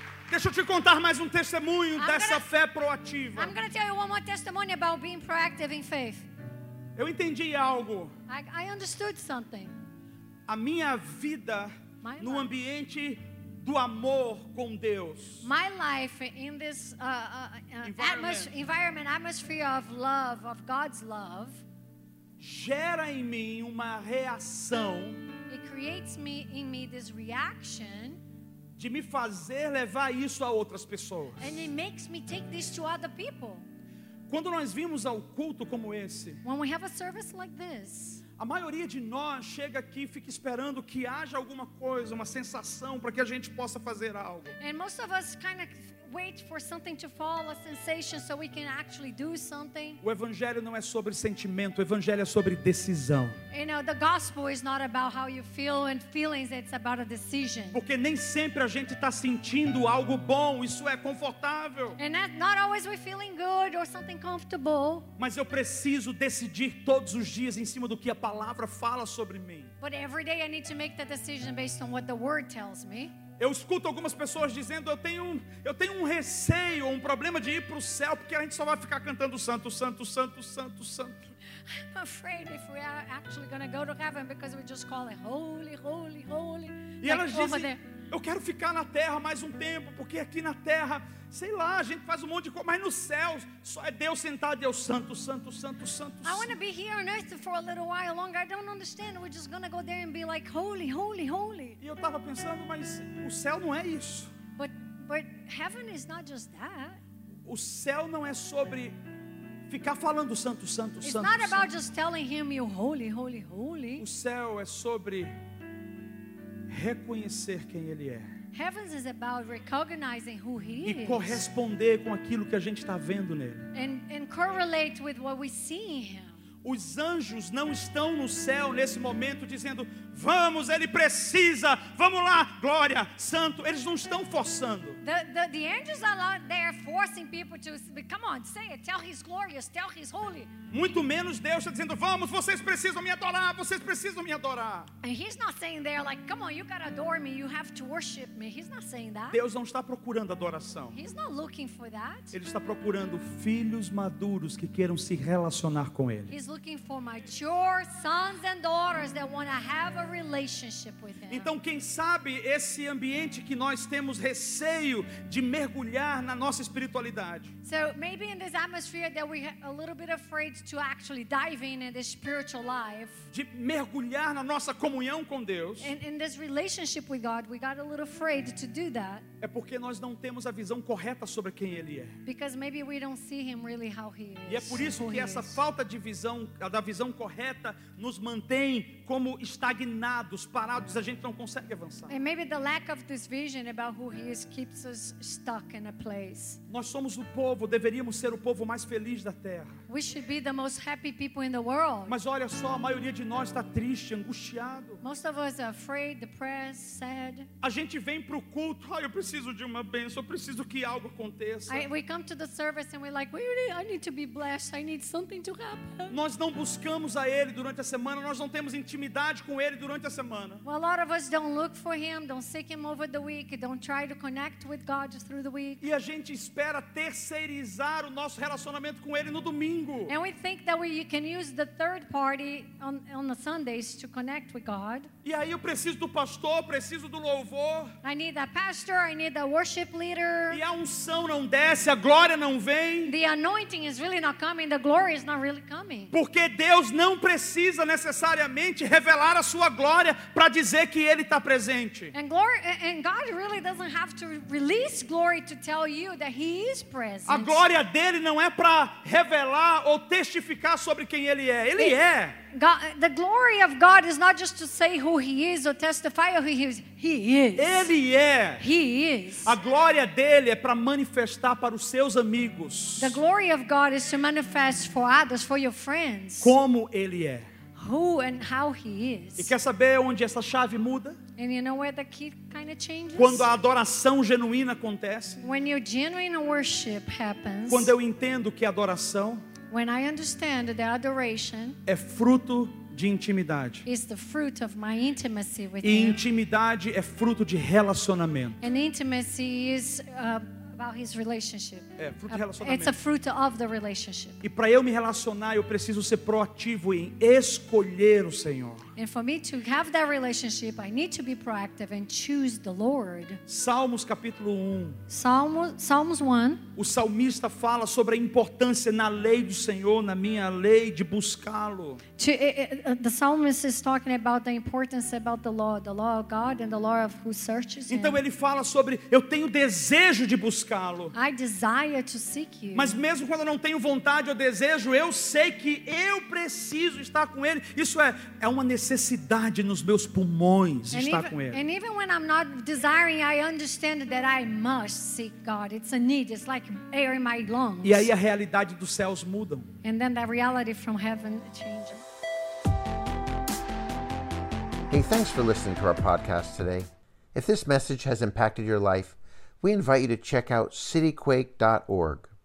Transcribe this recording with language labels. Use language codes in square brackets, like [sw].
[pt] Deixa eu te contar mais um testemunho dessa fé proativa. [en] I'm going to tell you one more testimony about being proactive in faith. [pt] Eu entendi algo. [en] I understood something. [pt] A minha vida no ambiente do amor com Deus. [en] My life in this atmosphere of love, of God's love, [pt] gera em mim uma reação. [en] It creates in me this reaction [pt] de me fazer levar isso a outras pessoas. [en] And it makes me take this to other people. [pt] Quando nós vimos ao culto como esse, [en] when we have a service like this, [pt] a maioria de nós chega aqui e fica esperando que haja alguma coisa, uma sensação para que a gente possa fazer algo. [en] And most of us kind of wait for something to fall, a sensation, so we can actually do something. [pt] O evangelho não é sobre sentimento, o evangelho é sobre decisão. [en] You know, the gospel is not about how you feel and feelings, it's about a decision. [pt] Porque nem sempre a gente está sentindo algo bom, isso é confortável. [en] And not always we're feeling good or something comfortable. [pt] Mas eu preciso decidir todos os dias em cima do que a palavra fala sobre mim. [en] But every day I need to make the decision based on what the word tells me. [pt] Eu escuto algumas pessoas dizendo, eu tenho um receio, um problema de ir para o céu, porque a gente só vai ficar cantando santo, santo, santo, santo, santo. [en] I'm afraid if we are actually going to go to heaven because we just call it holy, holy, holy. [pt] E elas dizem, eu quero ficar na terra mais um tempo, porque aqui na terra, sei lá, a gente faz um monte de coisa, mas no céu só é Deus sentado e é o santo, santo, santo, santo. [en] I want to be here on earth for a little while longer. I don't understand. We're just going to go there and be like holy, holy, holy. [pt] E eu tava pensando, mas o céu não é isso. [en] But heaven is not just that. [pt] O céu não é sobre ficar falando santo, santo, [en] it's [pt] santo. [en] It's not about [pt] santo. [en] Just telling him you holy, holy, holy. [pt] O céu é sobre reconhecer quem ele é. [en] Heaven is about recognizing who he is. [pt] E corresponder com aquilo que a gente está vendo nele. [en] And correlate with what we see in him. [pt] Os anjos não estão no céu nesse momento dizendo, vamos, ele precisa, vamos lá, glória, santo. Eles não estão forçando. [en] The angels are not there forcing people to come on, say it, tell his glorious, tell his holy. [pt] Muito menos Deus está dizendo, vamos, vocês precisam me adorar, vocês precisam me adorar. [en] And he's not saying there like, come on, you gotta adore me, you have to worship me. He's not saying that. [pt] Deus não está procurando adoração. [en] He's not looking for that. [pt] Ele está procurando filhos maduros que queiram se relacionar com ele. [en] He's looking for mature sons and daughters that want to have a relationship with him. [pt] Então, quem sabe esse ambiente que nós temos receio de mergulhar na nossa espiritualidade. [en] So maybe in this atmosphere that we're a little bit afraid to actually dive in this spiritual life. [pt] De mergulhar na nossa comunhão com Deus. [en] In this relationship with God, we got a little afraid to do that. [pt] É porque nós não temos a visão correta sobre quem ele é. [en] Because maybe we don't see him really how he is. [pt] E é por isso que essa falta de visão, a da visão correta, nos mantém como estagnados, parados, a gente não consegue avançar. [en] And maybe the lack of this vision about who he is keeps us stuck in a place. [pt] Nós somos o povo, deveríamos ser o povo mais feliz da terra. [en] We should be the most happy people in the world. [pt] Mas olha só, a maioria de nós está triste, angustiado. [en] Most of us are afraid, depressed, sad. [pt] A gente vem para o culto, ai, eu preciso de uma bênção, eu preciso que algo aconteça. [en] We come to the service and we're like, really, I need to be blessed, I need something to happen. [pt] Nós não buscamos a ele durante a semana, nós não temos intimidade com ele durante a semana. [en] Well, a lot of us don't look for him, don't seek him over the week, don't try to connect with God through the week. [pt] E a gente espera terceirizar o nosso relacionamento com ele no domingo. [en] And we think that we can use the third party on the Sundays to connect with God. [pt] E aí eu preciso do pastor, preciso do louvor. [en] I need a pastor, I need a worship leader. [pt] E a unção não desce, a glória não vem. [en] The anointing is really not coming, the glory is not really coming. [pt] Porque Deus não precisa necessariamente revelar a sua glória para dizer que ele está presente. [en] And God really doesn't have to release glory to tell you that he is present. [pt] A glória dele não é para revelar ou testificar sobre quem ele é. Ele é. [en] God, the glory of God is not just to say who he is or testify who he is. He is. [pt] Ele é. [en] He is. [pt] A glória dele é para manifestar para os seus amigos. [en] The glory of God is to manifest for others, for your friends. [pt] Como ele é. [en] who and how he is. [pt] E quer saber onde essa chave muda? [en] And you know where the key kind of changes? [pt] Quando a adoração genuína acontece. [en] When your genuine worship happens. [pt] Quando eu entendo que a adoração. [en] When I understand that adoration. [pt] É fruto de intimidade. [en] Is the fruit of my intimacy with him. [pt] E intimidade é fruto de relacionamento. [en] And intimacy is about his relationship. [pt] É fruto de relacionamento. [en] It's a fruit of the relationship. [pt] E para eu me relacionar, eu preciso ser proativo em escolher o Senhor. [en] And for me to have that relationship, I need to be proactive and choose the Lord. [pt] Salmos capítulo 1. Salmos 1. O salmista fala sobre a importância na lei do Senhor, na minha lei, de buscá-lo. [en] The psalmist is talking about the importance about the law of God and the law of who searches him. [pt] Então ele fala sobre eu tenho desejo de buscá-lo. [en] I desire to seek you. [pt] Mas mesmo quando eu não tenho vontade ou desejo, eu sei que eu preciso estar com ele. Isso é uma necessidade nos meus pulmões [en] and [pt] estar [en] even, [pt] com ele. [en] And even when I'm not desiring, I understand that I must seek God. It's a need. It's like air in my lungs. [pt] E aí a realidade dos céus muda. [en] And then the reality from heaven changes. Hey, thanks for listening to our podcast today. If this message has impacted your life, we invite you to check out citiquake.org.